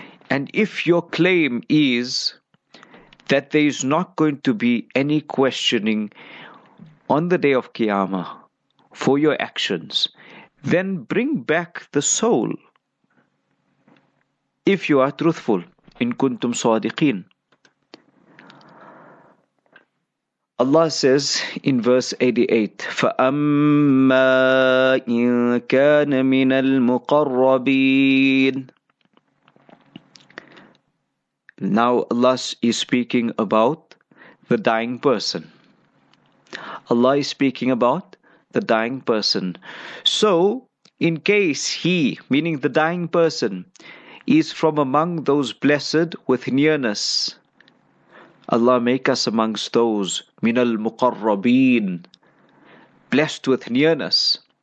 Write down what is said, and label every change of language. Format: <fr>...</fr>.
<en>And if your claim is that there is not going to be any questioning on the day of Qiyamah for your actions, then bring back the soul if you are truthful.</en> <ar>In kuntum sadiqeen.</ar> <en>Allah says in verse 88,</en> <ar>فَأَمَّا إِنْ كَانَ مِنَ الْمُقَرَّبِينَ.</ar> <en>Now Allah is speaking about the dying person. Allah is speaking about the dying person. So, in case he, meaning the dying person, is from among those blessed with nearness, Allah make us amongst those, minal muqarrabeen, blessed with nearness.</en>